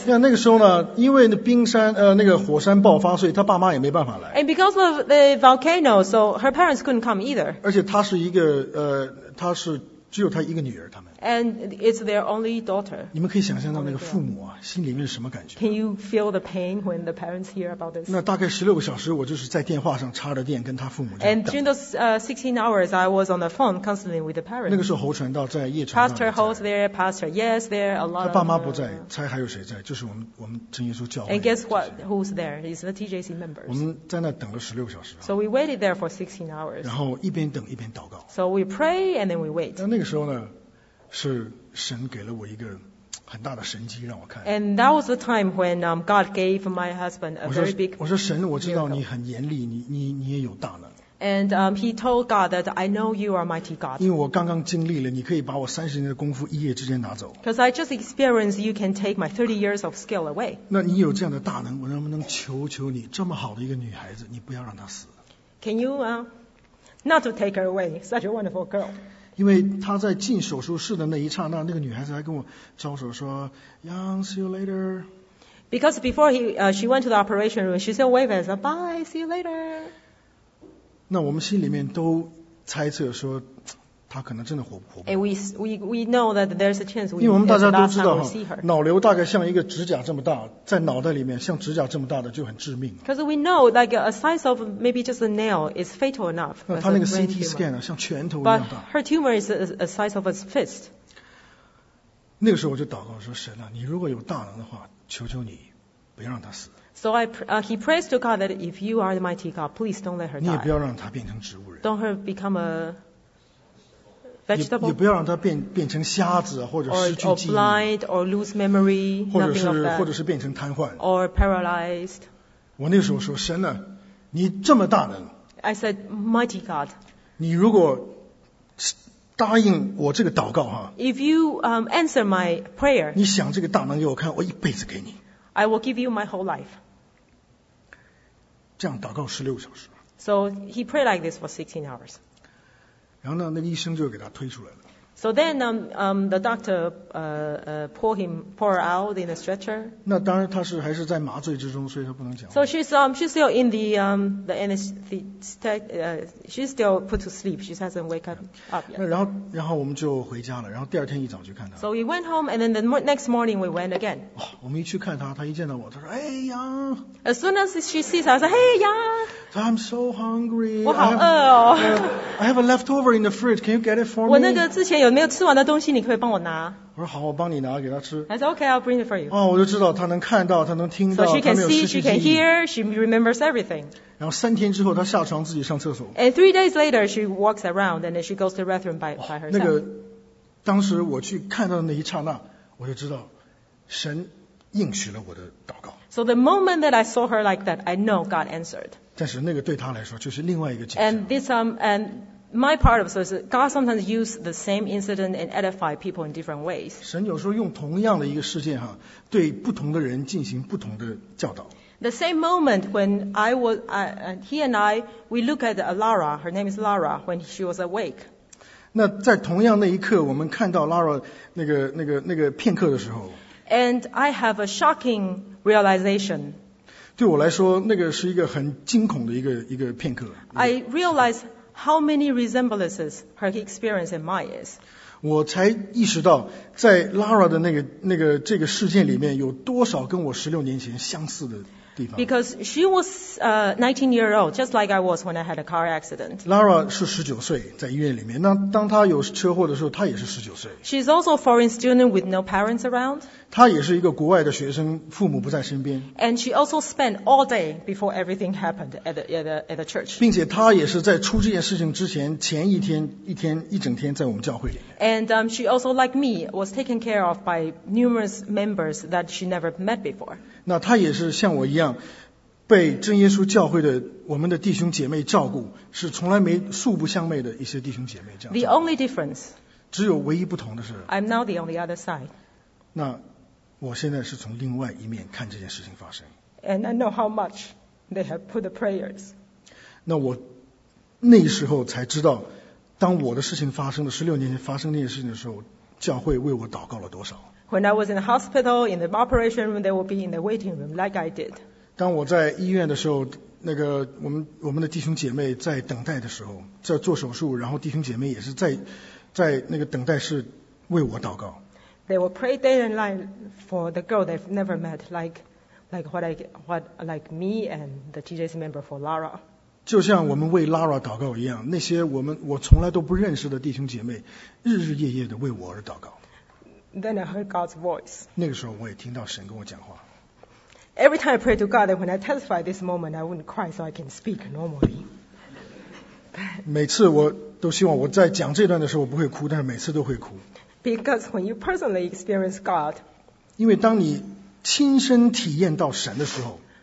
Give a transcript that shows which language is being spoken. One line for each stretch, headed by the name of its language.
Chinese: 对啊，那个时候呢，因为冰山那个火山爆发，所以他爸妈也没办法来。
English: And because of the volcano, so her parents couldn't come either.
Chinese: 而且她是一个她是只有她一个女儿，他们。
English: And it's their only daughter.
Chinese: 你们可以想象到那个父母啊，心里面是什么感觉
English: ？Can you feel the pain when the parents hear about this?
Chinese: 那大概16个小时，我就是在电话上插着电跟他父母。
English: And during those 16 hours, I was on the phone constantly with the parents.
Chinese: 那个时候侯传道在夜场。
English: Pastor Ho's there, Pastor. Yes, there a lot.
Chinese: 他爸妈不在，猜还有谁在？就是我们真耶稣教会。
English: And guess what? Who's there? It's the TJC members.
Chinese: 我们在那等了16小时。
English: So we waited there for 16 hours.
Chinese: 然后一边等一边祷告。
English: So we pray and then we wait.
Chinese: 那个时候呢？是神给了我一个很大的神迹让我看。
English: And that was the time when God gave my husband a very big.
Chinese: 我说神，我知道你很严厉，你也有大能。
English: And he told God that I know you are mighty God.
Chinese: 因为我刚刚经历了，你可以把我30年的功夫一夜之间拿走。
English: Because I just experienced you can take my 30 years of skill away.
Chinese: 那你有这样的大能，我能不能求求你，这么好的一个女孩子，你不要让她死
English: ？Can you not to take her away? Such a wonderful girl.
Chinese: 因为他在进手术室的那一刹那，那个女孩子还跟我招手说 ，
English: Young, see you later. Because before she went to the operation room, she said, "Wave us, bye, see you later."
Chinese: 那我们心里面都猜测说，她可能真的活不了。
English: And we know that there's a chance.
Chinese: 因为我们大家都知道，脑瘤大概像一个指甲这么大，在脑袋里面像指甲这么大的就很致命。
English: Because we know, like a size of maybe just a nail is fatal enough.
Chinese: 那她那个 CT scan 呢，像拳头一样大。
English: But her tumor is a size of a fist.
Chinese: 那个时候我就祷告说：“神啊，你如果有大能的话，求求你，不要让她死。”
English: So he prays to God that if you are the mighty God, please don't let her die.
Chinese: 你也不要让她变成植物人。
English: Don't her become a
Chinese: 也不要让他变成瞎子或者失去记忆
English: or blind or lose memory
Chinese: 或者是变成瘫痪
English: or paralyzed
Chinese: 我那时候说神啊你这么大能
English: I said mighty God
Chinese: 你如果答应我这个祷告哈
English: if you answer my prayer
Chinese: 你想这个大能给我看我一辈子给你
English: I will give you my whole life
Chinese: 这样祷告16小时
English: so he prayed like this for 16 hours
Chinese: 然后呢，那个医生就给他推出来了。
English: So then, the doctor pour out in a stretcher.
Chinese: 那当然，他是还是在麻醉之中，所以他不能讲。
English: So she's still in the anesthesia. She's still put to sleep. She hasn't wake up yet.
Chinese: 那然后我们就回家了。然后第二天一早去看他。
English: So we went home, and then the next morning we went again.、
Chinese: 哦、我们一去看他，他一见到我，他说：“哎呀。”
English: As soon as she sees us, I say, "Hey, yeah." I'm so hungry.
Chinese: 我好饿哦。
English: I have a leftover in the fridge. Can you get it for me?
Chinese: 我那个之前有没有吃完的东西，你可以帮我拿。我说好，我帮你拿给他吃。
English: I said okay, I'll bring it for you.
Chinese: 哦，我就知道他能看到，他能听到，他没有失去记忆。
English: So she can see, she can hear, she remembers everything.
Chinese: 然后三天之后，他下床自己上厕所。
English: And 3 days later, she walks around and then she goes to the bathroom by herself.
Chinese: 那个当时我去看到的那一刹那，我就知道神应许了我的祷告。
English: So the moment that I saw her like that, I know God answered.
Chinese: 但是那个对他来说就是另外一个景
English: 象。And this and my part of this is God sometimes use the same incident and edify people in different ways.
Chinese: 神有时候用同样的一个事件哈，对不同的人进行不同的教导。
English: The same moment when I was he and I we look at Lara, her name is Lara, when she was awake.
Chinese: 那在同样那一刻，我们看到 Lara 那个片刻的时候。
English: And I have a shocking realization.
Chinese: 对我来说，那个是一个很惊恐的一个片刻。
English: I realize how many resemblances her experience and mine is.
Chinese: 我才意识到，在 Lara 的那个这个事件里面，有多少跟我十六年前相似的地方。
English: Because she was 19 years old, just like I was when I had a car accident.
Chinese: Lara 是19岁，在医院里面。那当她有车祸的时候，她也是19岁。
English: She's also a foreign student with no parents around.
Chinese: 她也是一个国外的学生，父母不在身边。
English: And she also spent all day before everything happened at the church.
Chinese: 并且她也是在出这件事情之前，前一天一天一整天在我们教会里面。
English: And she also, like me, was taken care of by numerous members that she never met before.
Chinese: 那她也是像我一样。被真耶稣教会的我们的弟兄姐妹照顾，是从来没素不相昧的一些弟兄姐妹这样。
English: The only difference，
Chinese: 只有唯一不同的是
English: ，I'm now the only other side。
Chinese: 那我现在是从另外一面看这件事情发生。
English: And I know how much they have put the prayers。
Chinese: 那我那时候才知道，当我的事情发生了十六年前发生那件事情的时候，教会为我祷告了多少。
English: When I was in the hospital, in the operation room, they would be in the waiting room, like I did.
Chinese: 当我在医院的时候，那个我们的弟兄姐妹在等待的时候，在做手术，然后弟兄姐妹也是在那个等待室为我祷告。
English: They will pray day and night for the girl they've never met, like me and the TJC member for Lara.
Chinese: 就像我们为 Lara 祷告一样，那些我从来都不认识的弟兄姐妹，日日夜夜的为我而祷告。
English: Then I heard God's voice.
Chinese: 那个时候我也听到神跟我讲话。
English: Every time I pray to God, when I testify this moment, I wouldn't cry so I can speak normally.
Chinese: 每次我都希望我在讲这段的时候我不会哭，但是每次都会哭。
English: Because when you personally experience God,
Chinese: 因为当你亲身体验到神的时候，